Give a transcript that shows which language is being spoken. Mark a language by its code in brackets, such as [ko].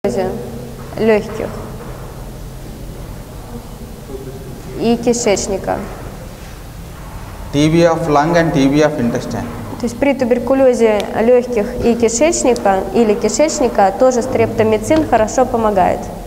[ru] жизнь легких и кишечника. [en] TB of lung and TB of intestine. [ru] То есть при туберкулезе легких и кишечника или кишечника тоже стрептомицин хорошо помогает.